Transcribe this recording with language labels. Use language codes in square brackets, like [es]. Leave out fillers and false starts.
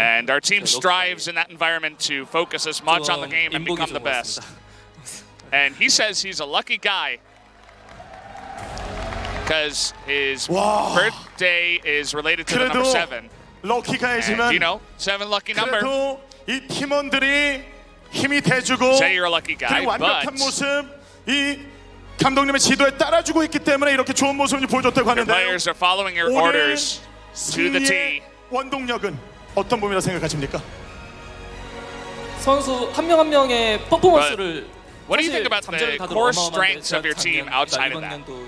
[en] And our team strives in that environment to focus as much on the game and become the best. And he says he's a lucky guy. Because his birthday is related to the number 7. Lucky guy [ko] 지만, [en] and, you know, 7 lucky number. [ko] 이 팀원들이 힘이 돼주고, [en] say you're a lucky guy, but [ko] 모습, 이 감독님의 지도에 따라주고 있기 때문에 이렇게 좋은 모습을 보여줬다고 하는데요. [en] Your players are following your orders to the T. [ko] 원동력은 어떤 부분이라 생각하십니까? 선수 한 명 한 명의 퍼포먼스를 [en] What do you think about the core strengths of your team outside of that?